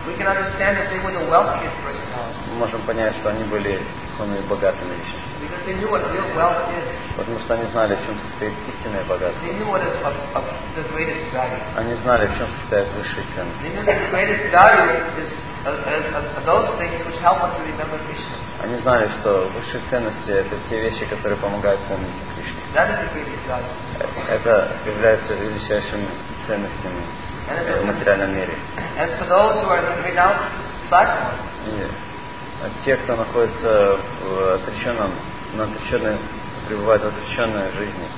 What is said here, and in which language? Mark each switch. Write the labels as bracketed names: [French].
[English] We can understand that they were the wealthiest personalities. [Russian] Мы можем понять, что они были самыми богатыми личностями. [English] Because they knew what real wealth is. [Russian] Потому что они знали, в чем состоит истинное богатство. [English] They knew what is the greatest value. [Russian] Они знали, в чем состоит высшая ценность. [English] They knew that the greatest value is those things which help us to remember Krishna. [Russian] Они знали, что высшие ценности — это те вещи, которые помогают помнить Кришну. [English] That is the greatest value. [Russian] Это является величайшими ценностями в материальном мире. [English] And for those who are the renounced platform. [Russian] А те, кто находится в отреченном, на отреченной, пребывают в отреченной жизни.